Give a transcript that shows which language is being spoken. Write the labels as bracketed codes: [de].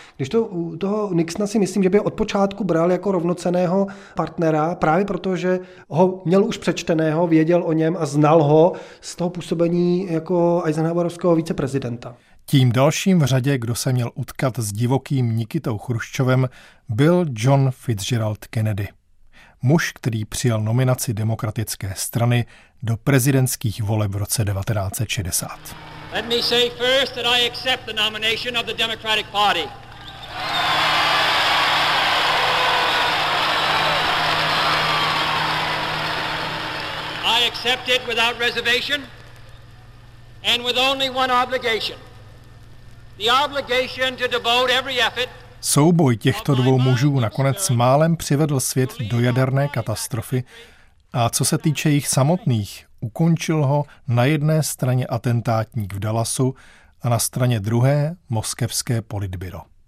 [cs] Když to u toho Nixona si myslím, že by od počátku bral jako rovnocenného partnera, právě proto, že ho měl už přečteného, věděl o něm a znal ho z toho působení jako Eisenhowerovského viceprezidenta. Tím dalším v řadě, kdo se měl utkat s divokým Nikitou Chruščovem, byl John Fitzgerald Kennedy. Muž, který přijal nominaci demokratické strany do prezidentských voleb v roce 1960. [en] Let me say first that I accept the nomination of the Democratic Party. I accept it without reservation and with only one obligation. The obligation to devote every effort. [cs] Souboj těchto dvou mužů nakonec málem přivedl svět do jaderné katastrofy a co se týče jich samotných, ukončil ho na jedné straně atentátník v Dallasu a na straně druhé moskevské politbyro.